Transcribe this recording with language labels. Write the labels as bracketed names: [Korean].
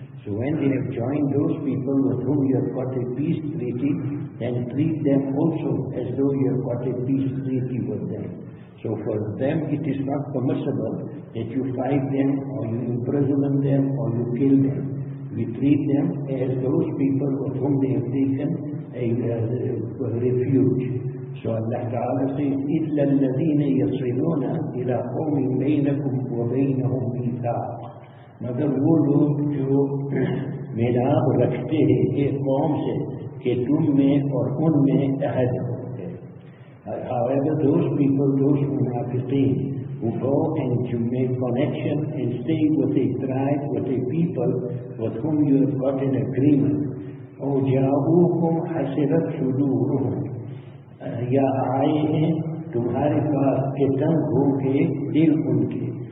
[English] So when they have joined those people with whom you have got a peace treaty, then treat them also as though you have got a peace treaty with them. So for them it is not permissible that you fight them or you imprison them or you kill them. We treat them as those people with whom they have taken a refuge. So Allah Ta'ala says, [Arabic] إِلَّا الَّذِينَ يَصِلُونَ إِلَىٰ قَوْمٍ بَيْنَكُمْ وَبَيْنَهُمْ مِيثَاقٌ. [Urdu] مگر وہ لوگ جو میلاپ رکھتے ہیں ایک قوم سے کہ تم میں اور ان میں عہد ہو. [English] However, those people, those munafiqeen, who go and you make connection and stay with a tribe, with a people with whom you have got an agreement. [Arabic] O jaaukum hasirat suduruhum. [Urdu] Ya aaye hain tumhare paas ke tang ho ke dil unke.